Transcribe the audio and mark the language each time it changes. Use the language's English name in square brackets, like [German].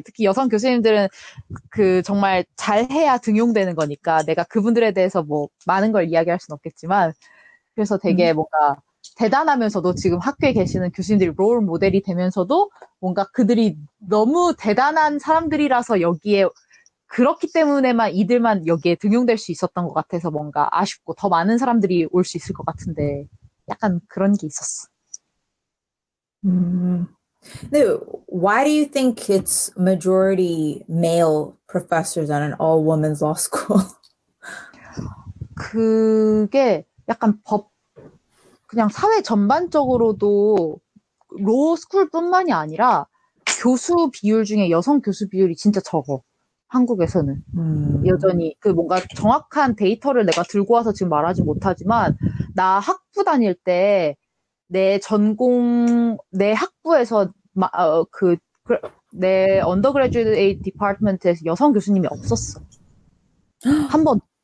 [Korean] 특히 여성 교수님들은 그 정말 잘해야 등용되는 거니까 내가 그분들에 대해서 뭐 많은 걸 이야기할 순 없겠지만, 그래서 되게 뭔가 대단하면서도 지금 학교에 계시는 교수님들이 롤 모델이 되면서도 뭔가 그들이 너무 대단한 사람들이라서 여기에 그렇기 때문에만 이들만 여기에 등용될 수 있었던 것 같아서 뭔가 아쉽고 더 많은 사람들이 올수 있을 것 같은데 약간 그런 게 있었어. [English] 근데 why do you think it's majority male professors at an all women's law school? [Korean] 그게 약간 그냥 사회 전반적으로도 로스쿨뿐만이 아니라 교수 비율 중에 여성 교수 비율이 진짜 적어. 한국에서는. 여전히 그 뭔가 정확한 데이터를 내가 들고 와서 지금 말하지 못하지만 나 학부 다닐 때내 전공 내 학부에서 내 [English] undergraduate department [Korean] 에서 여성 교수님이 없었어. 한 번.